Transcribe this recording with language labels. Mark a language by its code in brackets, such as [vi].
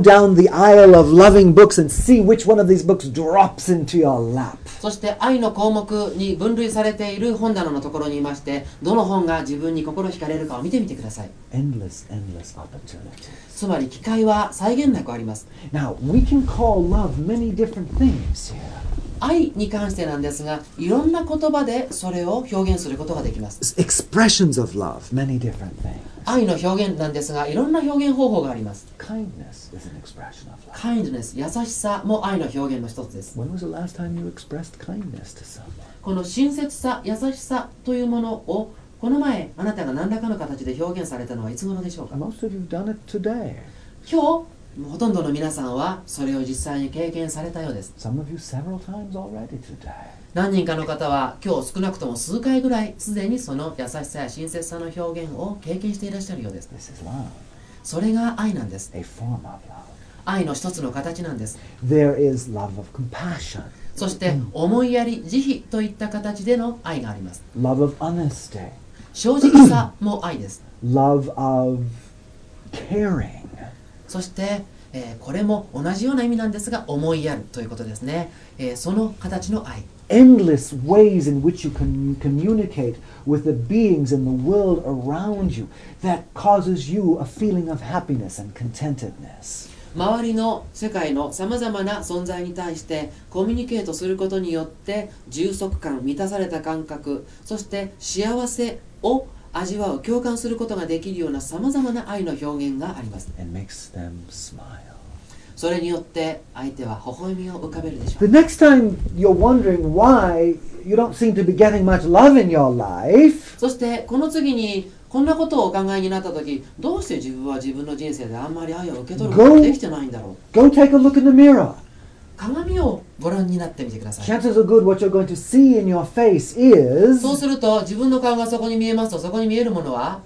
[en] Go down the aisle of loving books and see which one of these books drops into your lap. [ja] そして愛の項目に分類されている本棚のところにいまして、どの本が自分に心惹かれるかを見てみてください。 [en] Endless, endless opportunities. [ja] つまり機会は際限なくあります。 [en] Now we can call love many different things here. [ja] 愛に関してなんですが、いろんな言葉でそれを表現することができます。 [en] Expressions of love, many different things. [ja] 愛の表現なんですが、いろんな表現方法があります。 [en] Kindness is an expression of love. [ja] Kindness, 優しさも愛の表現の一つです。 [en] When was the last time you expressed kindness to someone? [ja] この親切さ、優しさというものをこの前あなたが何らかの形で表現されたのはいつ頃でしょうか? [en] Most of you have done it today. [ja] 今日ほとんどの皆さんはそれを実際に経験されたようです。 [en] Some of you several times already today. [ja] 何人かの方は今日少なくとも数回ぐらいすでにその優しさや親切さの表現を経験していらっしゃるようです。 [en] This is love. [ja] それが愛なんです。 [en] A form of love. [ja] 愛の一つの形なんです。 [en] There is love of compassion. [ja] そして思いやり、慈悲といった形での愛があります。 [en] Love of honesty. [ja] 正直さも愛です。 [en] Love of caring. [ja] そして、これも同じような意味なんですが、思いやるということですね、その形の愛。 [en] Endless ways in which you can communicate with the beings in the world around you that causes you a feeling of happiness and contentedness. [ja] 周りの世界のさまざまな存在に対してコミュニケートすることによって充足感、満たされた感覚、そして幸せを味わう、共感することができるようなさまざまな愛の表現があります。 [en] And makes them smile. [ja] それによって相手は微笑みを浮かべるでしょう。 [en] The next time you're wondering why you don't seem to be getting much love in your life. [ja] そしてこの次にこんなことをお考えになった時、どうして自分は自分の人生であんまり愛を受け取ることができてないんだろう。 [en] Go take a look in the mirror. [ja] 鏡をご覧になってみてください。 [en] Chances are good what you're going to see in your face is [ja] そうすると自分の顔がそこに見えますと、そこに見えるものは